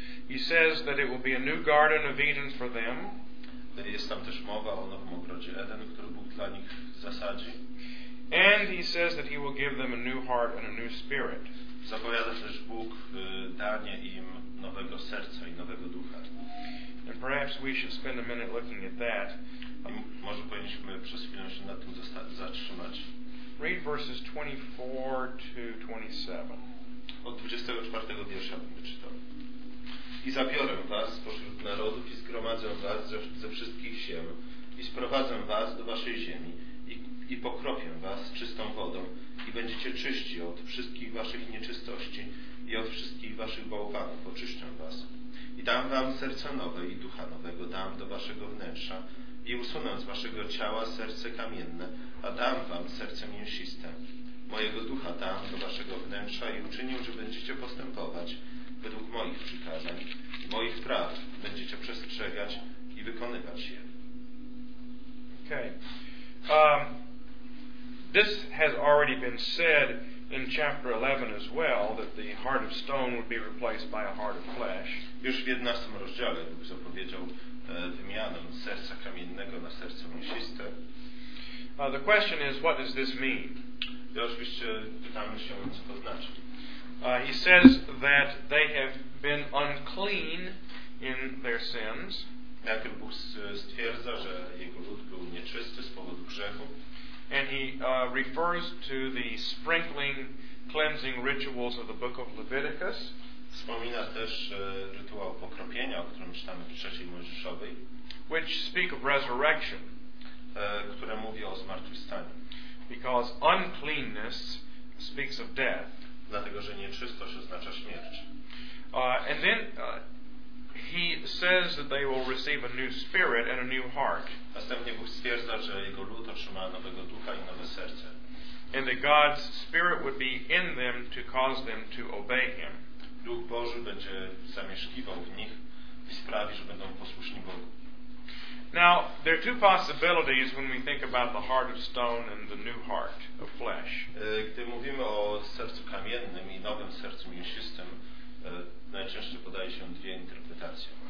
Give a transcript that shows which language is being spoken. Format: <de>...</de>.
<en>He says that it will be a new garden of Eden for them.</en> <pl>Jest tam też mowa o nowym ogrodzie Eden, który Bóg dla nich zasadzi.</pl> <en>And he says that he will give them a new heart and a new spirit.</en> <pl>Zapowiada też Bóg danie im nowego serca i nowego ducha.</pl> <en>And perhaps we should spend a minute looking at that.</en> <pl>Może powinniśmy przez chwilę się nad tym zatrzymać.</pl> <en>Read verses 24 to 27.</en> <pl>Od 24 wiersza będę czytał. I zabiorę was spośród narodów i zgromadzę was ze wszystkich ziem i sprowadzę was do waszej ziemi i pokropię was czystą wodą i będziecie czyści od wszystkich waszych nieczystości i od wszystkich waszych bałwanów oczyszczę was. I dam wam serce nowe i ducha nowego dam do waszego wnętrza i usunę z waszego ciała serce kamienne, a dam wam serce mięsiste. Mojego ducha dam do waszego wnętrza i uczynię, że będziecie postępować według moich przykazań, moich praw będziecie przestrzegać i wykonywać je.</pl> <en>Okay. This has already been said in chapter 11 as well, that the heart of stone would be replaced by a heart of flesh.</en> <pl>Już w 11 rozdziale Bóg zapowiedział wymianę serca kamiennego na serce mięsiste.</pl> <en>The question is, what does this mean?</en> <pl>I oczywiście pytamy się, co to znaczy.</pl> <en>He says that they have been unclean in their sins.</en> <pl>Jak Bóg stwierdza, że jego lud był nieczysty z powodu grzechu.</pl> <en>And he refers to the sprinkling cleansing rituals of the book of Leviticus.</en> <pl>Wspomina też rytuał pokropienia, o którym czytamy w trzeciej Mojżeszowej.</pl> <en>Which speak of resurrection.</en> <pl>Które mówi o zmartwychwstaniu.</pl> <en>Because uncleanness speaks of death.</en> <pl>Dlatego, że nieczystość oznacza śmierć.</pl> <en>And then he says that they will receive a new spirit and a new heart.</en> <pl>Następnie Bóg stwierdza, że jego lud otrzyma nowego ducha i nowe serce.</pl> <en>And that God's spirit would be in them to cause them to obey him.</en> <pl>Duch Boży będzie zamieszkiwał w nich i sprawi, że będą posłuszni Bogu.</pl> <en>Now, there are two possibilities when we think about the heart of stone and the new heart of flesh.</en> <pl>Gdy mówimy o sercu kamiennym i nowym sercu mięsistym, najczęściej podaje się dwie interpretacje.</pl>